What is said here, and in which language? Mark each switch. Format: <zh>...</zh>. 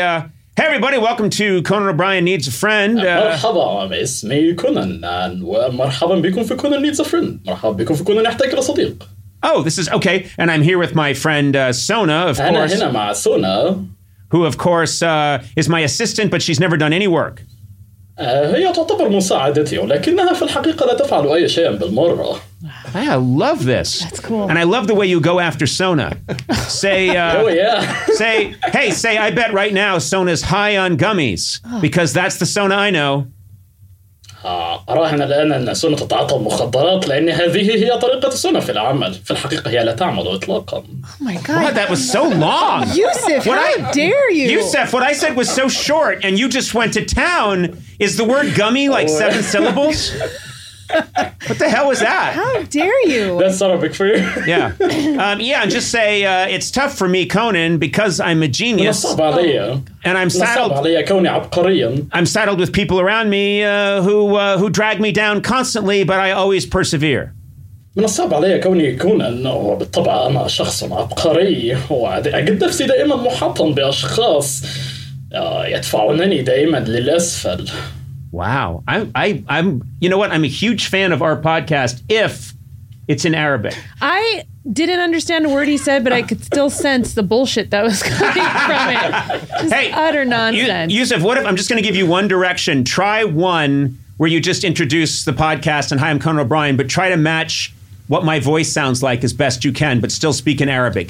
<en>Hey, everybody, welcome to Conan O'Brien Needs a Friend. Marhaba, it's me, Conan, and</en> <ar>marhaba bikum fi</ar> <en>Conan Needs a Friend.</en> <ar>Marhaba bikum fi Conan Yahtaj ila Sadiq.</ar> <en>Oh, this is, okay, and I'm here with my friend Sona, of course.</en> <ar>Ana hina ma Sona.</ar> <en>Who, of course, is my assistant, but she's never done any work.</en> <ar>هي تعتبر مساعدتي ولكنها في الحقيقة لا تفعل أي شيء بالمرة.</ar> <en>I love this. That's cool. And I love the way you go after Sona. Say, Say, hey, say, I bet right now Sona's high on gummies because that's the Sona I know.</en> <ar>أراهن الآن أن سونا تتعاطى المخدرات لأن هذه هي طريقة سونا في العمل في الحقيقة هي لا تعمل إطلاقا.</ar> <en>Oh my god. What, that was so long. Youssef, what how I, dare you? Youssef, what I said was so short and you just went to town. Is the word gummy like seven syllables? What the hell was that? How dare you? That's not a big for you. Yeah. Yeah, and just say, it's tough for me, Conan, because I'm a genius. And I'm saddled with people around me who drag me down constantly, but I always persevere.</en> <ar>من الصعب علي كوني كونان وبالطبع أنا شخص عبقري وأجد نفسي دائما محاطا بأشخاص يدفعونني دائما للأسفل.</ar> <en>Wow. I'm you know what? I'm a huge fan of our podcast if it's in Arabic. I didn't understand a word he said, but I could still sense the bullshit that was coming from it. Just hey, utter nonsense. Youssef, what if I'm just going to give you one direction. Try one where you just introduce the podcast and hi, I'm Conan O'Brien, but try to match what my voice sounds like as best you can, but still speak in Arabic.</en>